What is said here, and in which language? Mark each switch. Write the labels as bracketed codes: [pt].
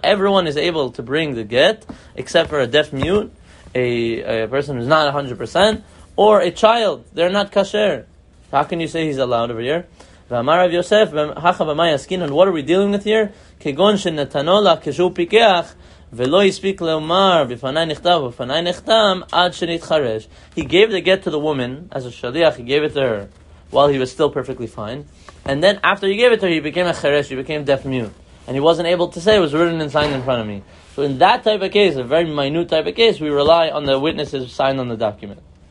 [en] Everyone is able to bring the get, except for a deaf-mute, a person who's not 100%, or a child. They're not kasher. How can you say he's allowed over here? [he] V'amar Rav Yosef, hacha v'mayaskin, [en] and what are we dealing with here? [he] Kegon shenatanola keshu pikeach, ולא הספיק לומר, בפני נכתב, בפני נכתם, עד שנתחרש. [en] He gave the get to the woman, as a shaliach, he gave it to her, while he was still perfectly fine. And then after he gave it to her, he became a cheresh, he became deaf mute. And he wasn't able to say, it was written and signed in front of me. So in that type of case, a very minute type of case, we rely on the witnesses signed on the document.